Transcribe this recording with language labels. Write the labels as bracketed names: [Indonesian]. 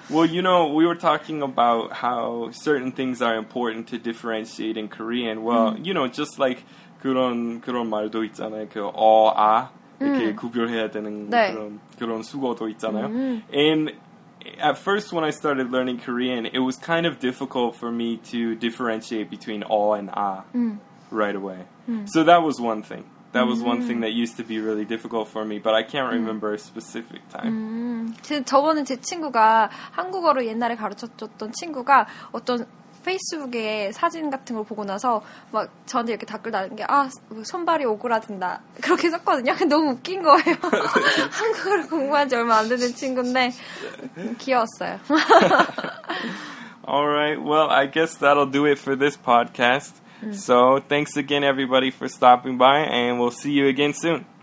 [English] Well, you know, we were talking about how certain things are important to differentiate in Korean. Well, you know, just like [Korean] 그런 말도 있잖아요. 그 어아 이렇게 구별해야 되는 네. 그런 수거도 있잖아요. [English] And at first when I started learning Korean, it was kind of difficult for me to differentiate between 어 and 아 right away. So that was one thing. That was one thing that used to be really difficult for me, but I can't remember a specific time. [Korean] 저번에 제 친구가 한국어로 옛날에 가르쳐줬던 친구가 어떤 페이스북에 사진 같은 걸 보고 나서 막 저한테 이렇게 댓글 달은 게 아, 손발이 오그라든다. 그렇게 썼거든요. 너무 웃긴 거예요. 한국어를 공부한 지 얼마 안 되는 친구인데 귀여웠어요. [English] All right. Well, I guess that'll do it for this podcast. So, thanks again everybody for stopping by and we'll see you again soon.